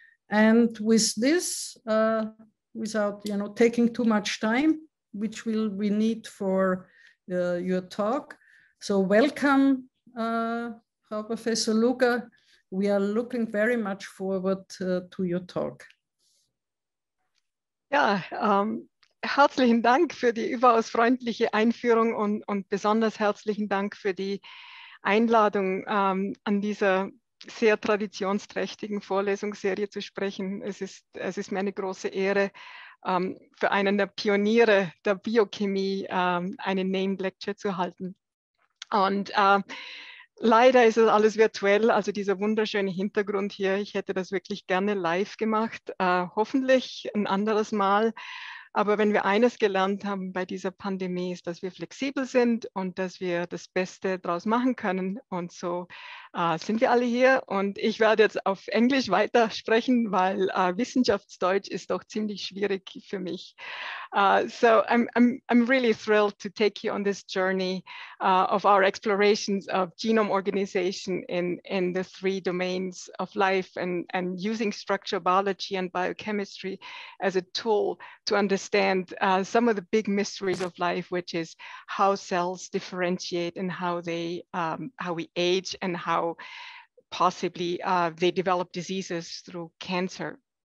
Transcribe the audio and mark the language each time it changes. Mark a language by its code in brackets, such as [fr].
[en] And with this, without taking too much time, which will we need for your talk. So welcome, Frau Professor Luger. We are looking very much forward to your talk. Yeah. [de] Herzlichen Dank für die überaus freundliche Einführung und besonders herzlichen Dank für die Einladung, an dieser sehr traditionsträchtigen Vorlesungsserie zu sprechen. Es ist mir eine große Ehre, für einen der Pioniere der Biochemie eine Named Lecture zu halten. Und leider ist es alles virtuell, also dieser wunderschöne Hintergrund hier. Ich hätte das wirklich gerne live gemacht, hoffentlich ein anderes Mal. Aber wenn wir eines gelernt haben bei dieser Pandemie, ist, dass wir flexibel sind und dass wir das Beste draus machen können. Und so sind wir alle hier. Und ich werde jetzt auf Englisch weitersprechen, weil Wissenschaftsdeutsch ist doch ziemlich schwierig für mich. [en] So I'm really thrilled to take you on this journey of our explorations of genome organization in the three domains of life and using structural biology and biochemistry as a tool to understand some of the big mysteries of life, which is how cells differentiate and how they how we age and how possibly they develop diseases through cancer.